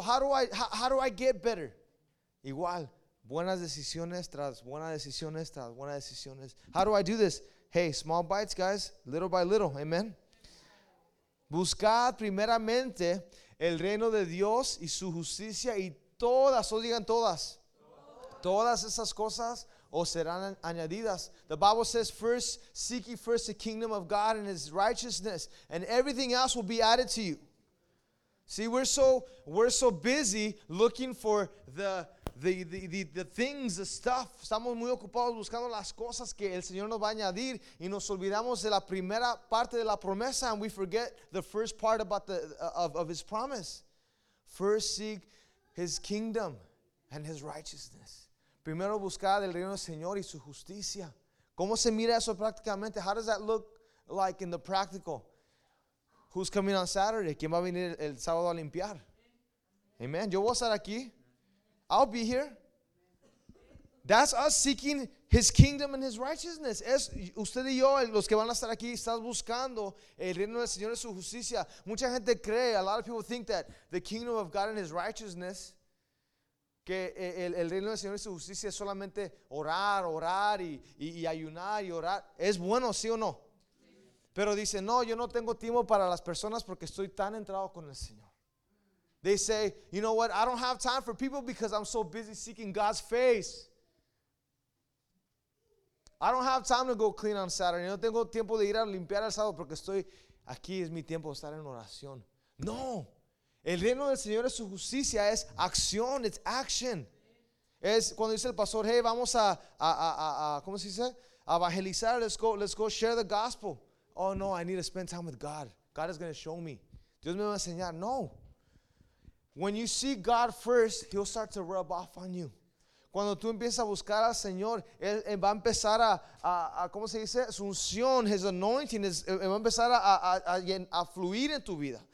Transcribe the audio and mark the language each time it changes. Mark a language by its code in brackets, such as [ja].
[en] How do I get better? [es] Igual, buenas decisiones tras buenas decisiones. [en] How do I do this? Hey, small bites, guys, little by little, amen. [es] Buscad primeramente el reino de Dios y su justicia y todas, o digan todas. Todas esas cosas o serán añadidas. [en] The Bible says, first, seek ye first the kingdom of God and his righteousness, and everything else will be added to you. See, we're so busy looking for the things, the stuff. [es] Estamos muy ocupados buscando las cosas que el Señor nos va a añadir y nos olvidamos de la primera parte de la promesa, [en] and we forget the first part about of his promise. First seek his kingdom and his righteousness. [es] Primero buscar el reino del Señor y su justicia. ¿Cómo se mira eso prácticamente? [en] How does that look like in the practical? Who's coming on Saturday? [es] ¿Quién va a venir el sábado a limpiar? Amen. Yo voy a estar aquí. [en] I'll be here. That's us seeking his kingdom and his righteousness. [es] Es usted y yo, los que van a estar aquí, estás buscando el reino del Señor y su justicia. Mucha gente cree, [en] a lot of people think that the kingdom of God and his righteousness, [es] que el reino del Señor y su justicia es solamente orar, orar y ayunar y orar. ¿Es bueno, sí o no? Pero dice, no, yo no tengo tiempo para las personas porque estoy tan entrado con el Señor. [en] They say, you know what, I don't have time for people because I'm so busy seeking God's face. I don't have time to go clean on Saturday. [es] No tengo tiempo de ir a limpiar el sábado porque estoy aquí, es mi tiempo de estar en oración. No, el reino del Señor es su justicia, es acción, [en] it's action. [es] Es cuando dice el pastor, hey, vamos ¿cómo se dice? A evangelizar, [en] let's go share the gospel. Oh no, I need to spend time with God. God is going to show me. [es] Dios me va a enseñar. [en] No. When you seek God first, He'll start to rub off on you. [es] Cuando tú empiezas a buscar al Señor, Él va a empezar a ¿cómo se dice? Su unción, [en] His anointing, [es] Él va a empezar a fluir en tu vida.